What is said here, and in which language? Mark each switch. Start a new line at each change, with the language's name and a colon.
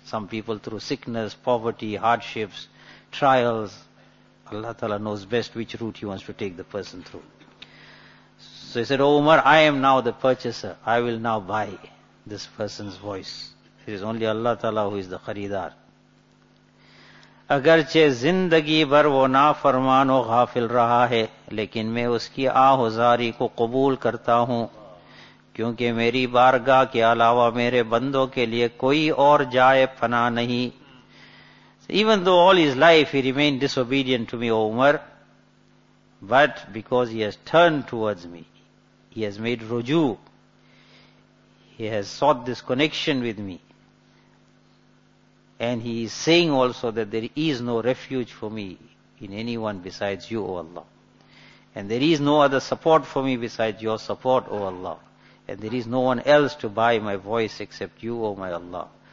English: Some people through sickness, poverty, hardships, trials. Allah Ta'ala knows best which route he wants to take the person through. So he said, O Umar, I am now the purchaser. I will now buy this person's voice. It is only Allah Ta'ala who is the kharidar.
Urdu: اگرچہ زندگی بھر وہ نافرمان و غافل رہا ہے لیکن میں اس کی آہوزاری کو قبول کرتا ہوں کیونکہ میری بارگاہ کے علاوہ میرے بندوں کے لیے کوئی اور جائے پناہ نہیں.
English: Even though all his life he remained disobedient to me, O Umar, but because he has turned towards me, he has made rujoo, he has sought this connection with me, and he is saying also that there is no refuge for me in anyone besides you, O Allah, and there is no other support for me besides your support, O Allah, and there is no one else to buy my voice except you, O my Allah.